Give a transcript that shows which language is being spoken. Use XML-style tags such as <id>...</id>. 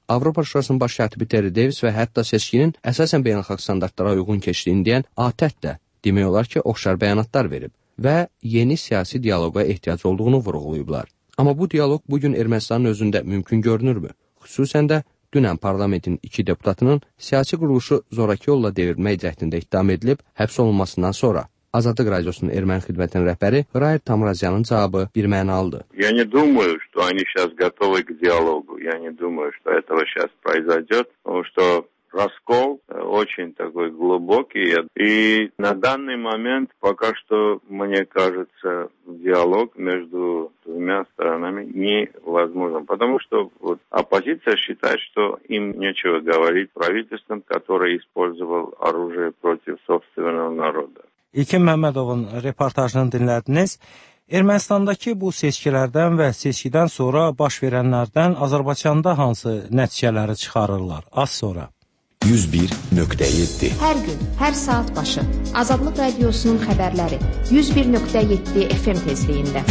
<az>Avropa Şurasının baş katibi Terry Davis və hətta seçkinin əsasən beynəlxalq standartlara uyğun keçdiyini deyən ATƏT də demək olar ki, oxşar bəyanatlar verib və yeni siyasi dialoqa ehtiyac olduğunu vurğulayıblar. Amma bu dialoq bugün Ermənistanın özündə mümkün görünürmü? Xüsusən də dünən parlamentin iki deputatının siyasi quruluşu zorakı yolla devirmək cəhdində ittiham edilib, həbs olunmasından sonra Azadlıq Radiosunun erməni xidmətinin rəhbəri Rayer Tamrazyanın cavabı bir məna aldı.</az> <ru>Yəni, думаю, что они сейчас готовы к диалогу. Я не думаю, что этого сейчас произойдет, потому что раскол очень такой глубокий. И на данный момент пока что, мне кажется, диалог между двумя сторонами невозможен. Потому что вот оппозиция считает, что им нечего говорить правительством, которое использовало оружие против собственного народа.</ru> <az>İlkin Məhmədovun reportajını dinlədiniz. Ermənistandakı bu seçkilərdən və seçkidən sonra baş verənlərdən Azərbaycanda hansı nəticələri çıxarırlar? Az sonra. 101.7 Hər gün, hər saat başı. Azadlıq Radiosunun xəbərləri. 101.7 FM tezliyində.</az>